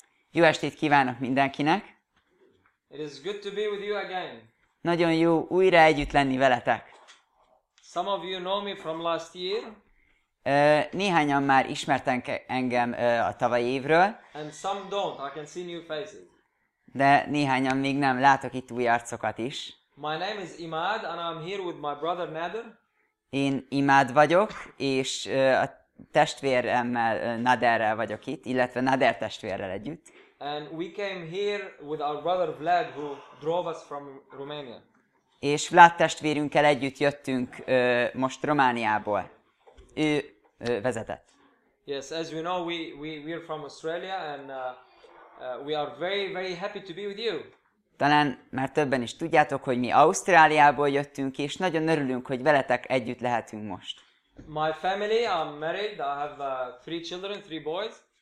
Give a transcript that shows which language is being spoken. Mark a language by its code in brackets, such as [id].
[hu] Jó estét kívánok mindenkinek! [en] It is good to be with you again. [hu] Nagyon jó újra együtt lenni veletek. [en] Some of you know me from last year. [hu] Néhányan már ismertek engem a tavalyi évről. [en] And some don't. I can see new faces. [hu] De néhányan még nem, látok itt új arcokat is. [en] My name is Imad and I'm here with my brother Nader. [hu] Én Imád vagyok, és a testvéremmel Naderrel vagyok itt, illetve Nader testvérrel együtt. [en] And we came here with our brother Vlad, who drove us from Romania. [hu] És Vlad testvérünkkel együtt jöttünk most Romániából. Ő vezetett. [en] Yes, as you know, we are from Australia and we are very, very happy to be with you. [hu] Talán már többen is tudjátok, hogy mi Ausztráliából jöttünk, és nagyon örülünk, hogy veletek együtt lehetünk most. [en] My family, I'm married, I have three children, three boys.